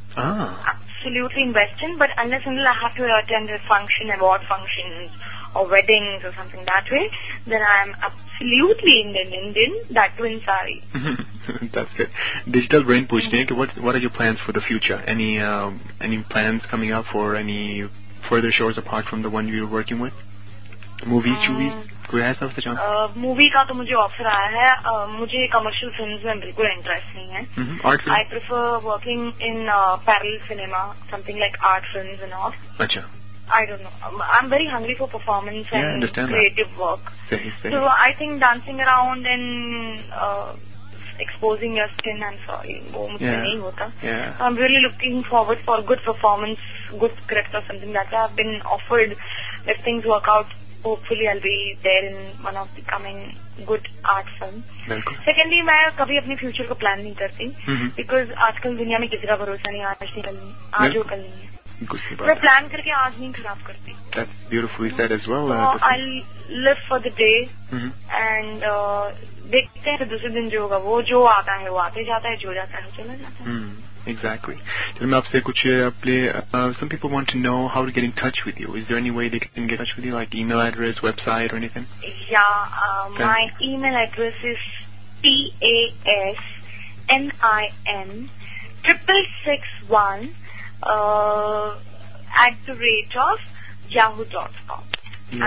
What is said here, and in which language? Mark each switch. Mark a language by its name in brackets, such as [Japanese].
[English] Absolutely in Western, but unless and until I have to attend a function, award functions or weddings or something that way, then I'm absolutely Indian, that too in sari. That's good. Digital Brain Pooch, Nick, what are your plans for the future? Any plans coming up for any further shows apart from the one you're working with? Movies, movies? [Hindi] Movie का तो मुझे offer आया है. मुझे commercial films में बिल्कुल interest नहीं है. [English] I prefer working in parallel cinema, something like art films and off. [Hindi] अच्छा. [English] I don't know, I am very hungry for performance and creative work. So I think dancing around and exposing your skin, I am sorry, [Hindi] वो मुझे नहीं होता. [English] I am really looking forward for good performance, good character, something that I have been offered. If things work out, hopefully I'll be there in one of the coming good art films. Secondly, [Hindi] मैं कभी अपने future को plan नहीं करती, [English] because [Hindi] आजकल दुनिया में किसी का भरोसा नहीं. आज नहीं कल, आज हो कल नहीं. मैं plan करके आज नहीं खराब करती. [English] That's beautifully said as well. I'll live for the day and [Hindi] देखते हैं दूसरे दिन जो होगा, वो जो आता है वो आते जाता है, जो जाता है वो चला जाता है. [English] Exactly. Tell me, some people want to know how to get in touch with you. Is there any way they can get in touch with you, like email address, website, or anything? Yeah, my email address is tasnin6661@yahoo.com. No.